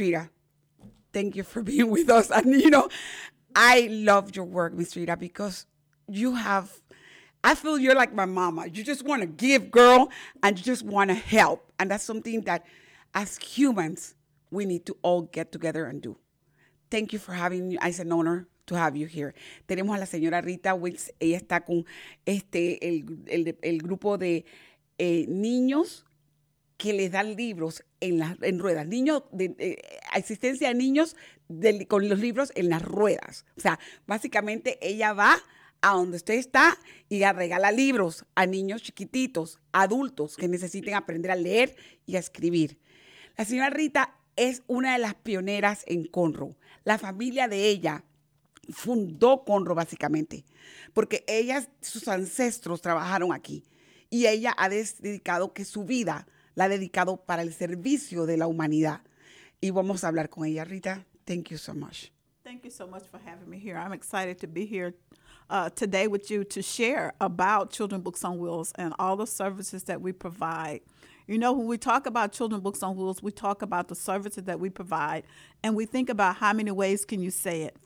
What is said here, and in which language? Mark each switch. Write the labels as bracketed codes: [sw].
[en] Rita, thank you for being with us. And, you know, I love your work, Ms. Rita, because you have, I feel you're like my mama. You just want to give, girl, and you just want to help. And that's something that, as humans, we need to all get together and do. Thank you for having me. It's an honor to have you here. [es] Tenemos a la señora Rita Wills. Ella está con el grupo de niños que les dan libros en ruedas. Niños de asistencia a niños con los libros en las ruedas. O sea, básicamente ella va a donde usted está y a regala libros a niños chiquititos, adultos que necesiten aprender a leer y a escribir. La señora Rita es una de las pioneras en Conroe. La familia de ella fundó Conroe básicamente, porque ellas, sus ancestros trabajaron aquí y ella ha dedicado que su vida la ha dedicado para el servicio de la humanidad. Y vamos a hablar con ella, Rita. [en] Thank you so much. Thank you so much for having me here. I'm excited to be here today with you to share about Children Books on Wheels and all the services that we provide. You know, when we talk about Children Books on Wheels, we talk about the services that we provide, and we think about how many ways can you say it?